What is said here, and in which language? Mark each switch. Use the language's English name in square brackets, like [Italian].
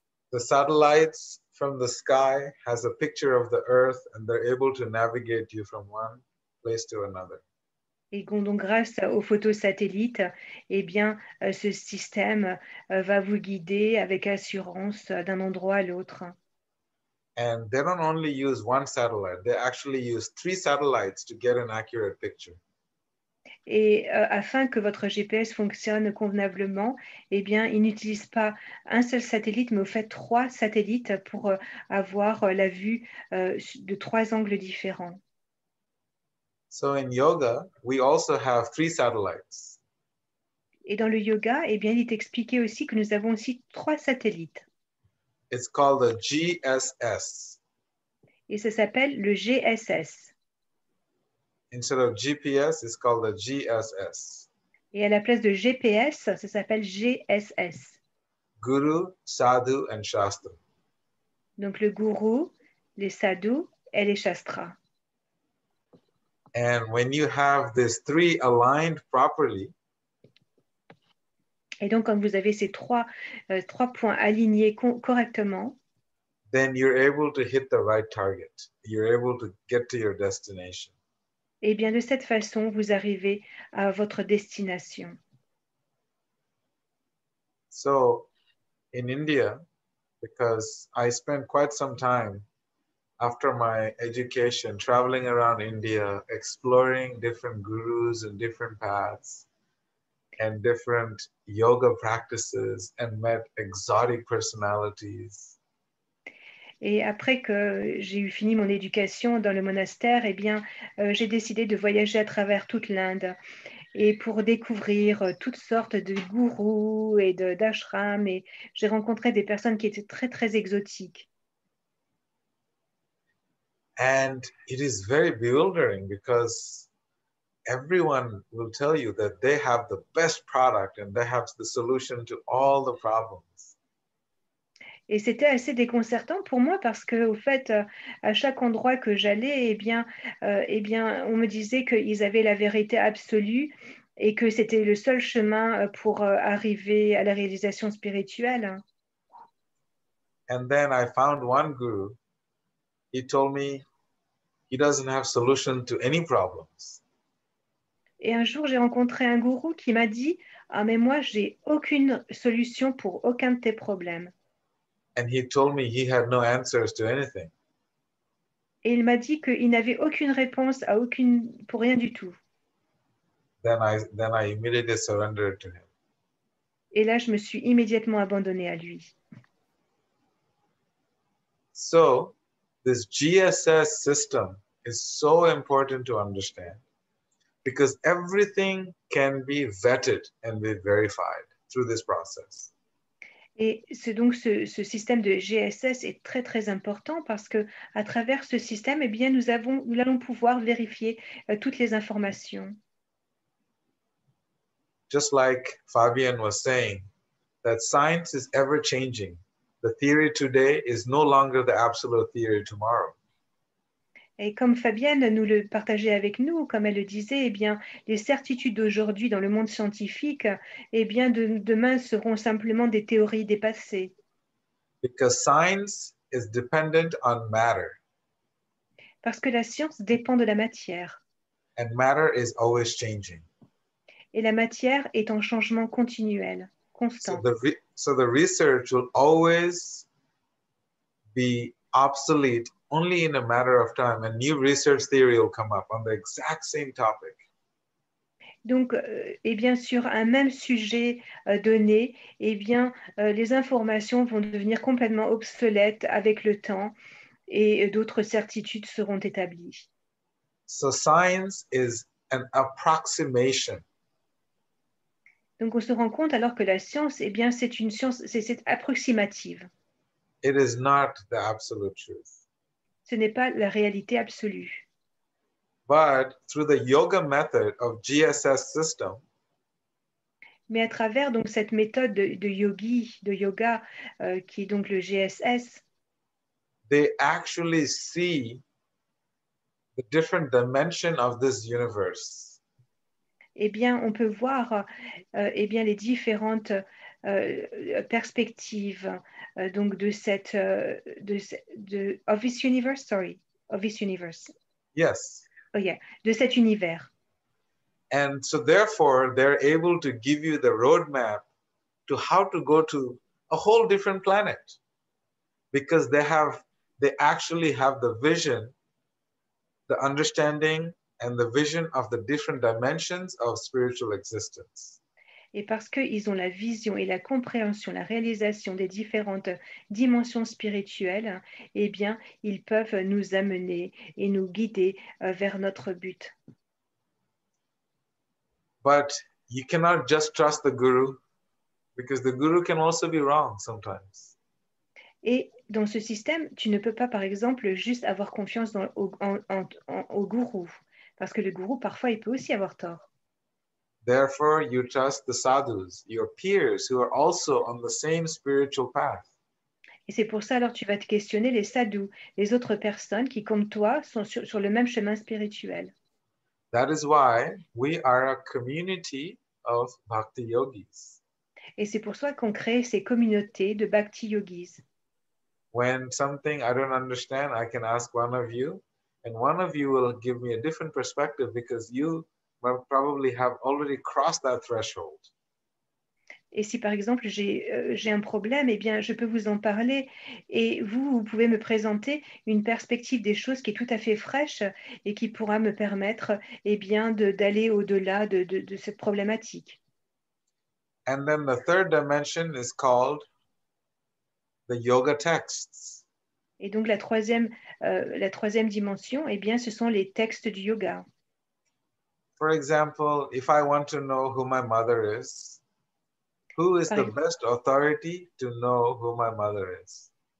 [English] The satellites from the sky has a picture of the Earth and they're able to navigate you from one place to another. [French] Et donc, grâce aux photos satellites, eh bien, ce système va vous guider avec assurance d'un endroit à l'autre. [English] And they don't only use one satellite, they actually use 3 satellites to get an accurate picture. [French] Et afin que votre GPS fonctionne convenablement, eh bien, ils n'utilisent pas un seul satellite, mais au fait 3 satellites pour avoir la vue de 3 angles différents. [English] So in yoga, we also have 3 satellites. [French] Et dans le yoga, eh bien, il est expliqué aussi que nous avons aussi 3 satellites. [English] It's called the GSS. [French] Et ça s'appelle le GSS. [English] Instead of GPS, it's called a GSS. [French] Et à la place de GPS, ça s'appelle GSS. [English] Guru, Sadhu and Shastra. [French] Donc le Guru, les Sadhu et les Shastra. [English] And when you have these three aligned properly, [French] et donc quand vous avez ces trois points alignés correctement, [English] then you're able to hit the right target. You're able to get to your destination. [French] Et bien de cette façon, vous arrivez à votre destination. [English] So, in India, because I spent quite some time after my education traveling around India, exploring different gurus and different paths and different yoga practices and met exotic personalities. [French] Et après que j'ai eu fini mon éducation dans le monastère, eh bien, j'ai décidé de voyager à travers toute l'Inde et pour découvrir toutes sortes de gourous et d'ashrams. Et j'ai rencontré des personnes qui étaient très, très exotiques. [English] And it is very bewildering because everyone will tell you that they have the best product and they have the solution to all the problems. [French] Et c'était assez déconcertant pour moi parce que, au fait, à chaque endroit que j'allais, eh bien, on me disait qu'ils avaient la vérité absolue et que c'était le seul chemin pour arriver à la réalisation spirituelle. [English] And then I found one guru. He told me he doesn't have solution to any problems. [French] Et un jour, j'ai rencontré un gourou qui m'a dit : ah, mais moi, j'ai aucune solution pour aucun de tes problèmes. [English] And he told me he had no answers to anything. [French] Et il m'a dit qu'il n'avait aucune réponse à aucune pour rien du tout. [English] Then I immediately surrendered to him. [French] Et là, je me suis immédiatement abandonnée à lui. [English] So, this GSS system is so important to understand because everything can be vetted and be verified through this process. [French] Et c'est donc ce système de GSS est très, très important parce que à travers ce système, eh bien, nous allons pouvoir vérifier toutes les informations. [English] Just like Fabian was saying, that science is ever changing. The theory today is no longer the absolute theory tomorrow. [French] Et comme Fabienne nous le partageait avec nous, comme elle le disait, eh bien, les certitudes d'aujourd'hui dans le monde scientifique, eh bien, demain seront simplement des théories dépassées. [English] Because science is dependent on matter. [French] Parce que la science dépend de la matière. [English] And matter is always changing. [French] Et la matière est en changement continuel, constant. [English] So the research will always be obsolete. Only in a matter of time, a new research theory will come up on the exact same topic. [French] Donc, et bien sur un même sujet donné, et bien les informations vont devenir complètement obsolètes avec le temps, et d'autres certitudes seront établies. [English] So science is an approximation. [French] Donc on se rend compte alors que la science, et bien c'est une science, c'est approximative. [English] It is not the absolute truth. [French] Ce n'est pas la réalité absolue. [English] But through the yoga method of GSS system, [French] mais à travers donc cette méthode de yoga, qui est donc le GSS, [English] they actually see the different dimension of this universe. [French] Eh bien, on peut voir les différentes perspectives. Donc de cette de [English] of this universe, sorry, of this universe. Yes. Oh yeah, [French] de cet univers. [English] And so therefore, they're able to give you the roadmap to how to go to a whole different planet, because they actually have the vision, the understanding, and the vision of the different dimensions of spiritual existence. [French] Et parce qu'ils ont la vision et la compréhension, la réalisation des différentes dimensions spirituelles, eh bien, ils peuvent nous amener et nous guider vers notre but. [English] But you cannot just trust the guru, because the guru can also be wrong sometimes. [French] Et dans ce système, tu ne peux pas, par exemple, juste avoir confiance au gourou, parce que le gourou parfois il peut aussi avoir tort. [English] Therefore, you trust the sadhus, your peers who are also on the same spiritual path. [French] Et c'est pour ça alors tu vas te questionner les sadhus, les autres personnes qui comme toi sont sur le même chemin spirituel. [English] That is why we are a community of bhakti yogis. [French] Et c'est pour ça qu'on crée ces communautés de bhakti yogis. [English] When something I don't understand, I can ask one of you, and one of you will give me a different perspective because you will probably have already crossed that threshold. [French] Et si par exemple j'ai un problème, eh bien je peux vous en parler et vous pouvez me présenter une perspective des choses qui est tout à fait fraîche et qui pourra me permettre eh bien d'aller au-delà de cette problématique. [English] And then the third dimension is called the yoga texts. [French] Et donc la troisième dimension, eh bien ce sont les textes du yoga. [English] For example, if I want to know who my mother is, who is the best authority to know who my mother is?